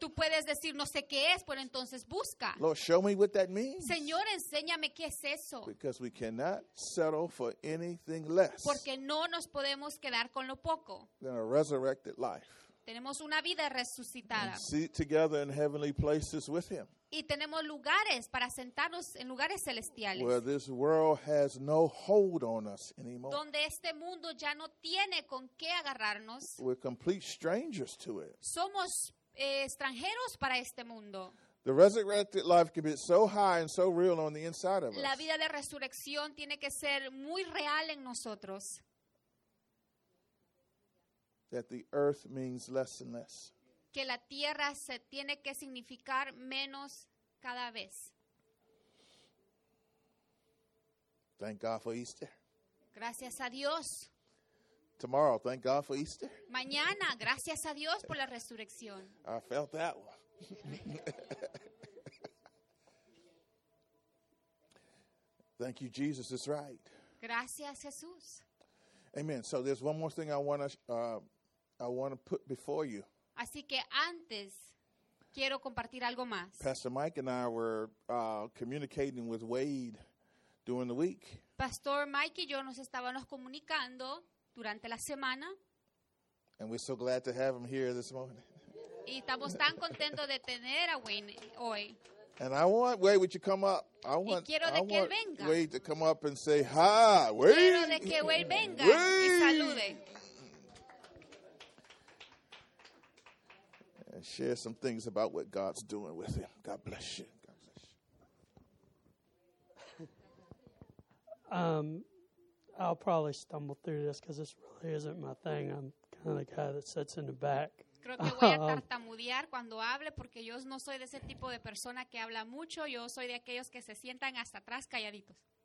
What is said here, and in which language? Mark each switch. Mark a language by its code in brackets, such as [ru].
[es] Tú puedes decir, no sé qué es, pero entonces busca. [en] Lord, show me what that means. [es] Señor, enséñame qué es eso. [en] Because we cannot settle for anything less. [es] Porque no nos podemos quedar con lo poco. [en] Than a resurrected life. [es] Tenemos una vida resucitada. [en] And sit together in heavenly places with him. [es] Y tenemos lugares para sentarnos en lugares celestiales. [en] Where this world has no hold on us anymore. [es] Donde este mundo ya no tiene con qué agarrarnos. [en] We're complete strangers to it. [es] Somos extranjeros para este mundo. [en] The resurrected life can be so high and so real on the inside of us. [es] La vida de resurrección tiene que ser muy real en nosotros. [en] That the earth means less and less. [es] Que la tierra se tiene que significar menos cada vez. [en] Thank God for Easter. [es] Gracias a Dios. [en] Tomorrow, thank God for Easter. [es] Mañana, gracias a Dios por la resurrección. [en] I felt that one. Thank you, Jesus. It's right. [es] Gracias, Jesús. [en] Amen. So there's one more thing I want to put before you. [es] Así que antes quiero compartir algo más. [en] Pastor Mike and I were communicating with Wade during the week. [es] Pastor Mike y yo nos estábamos comunicando durante la semana. [en] And we're so glad to have him here this morning. [es] Y estamos tan contentos de tener a Wayne hoy. [en] And I want Wade, would you come up? I want [es] venga. [en] Wade to come up and say hi. Wade. [es] Quiero de que Wade venga Wade. Y salude. [en] And share some things about what God's doing with him. God bless you. God bless you. I'll probably stumble through this because this really isn't my thing. I'm kind of the guy that sits in the back. [es] Creo que voy a tartamudear cuando hable porque yo no soy de ese tipo de persona que habla mucho. Yo soy de aquellos que se sientan hasta atrás calladitos.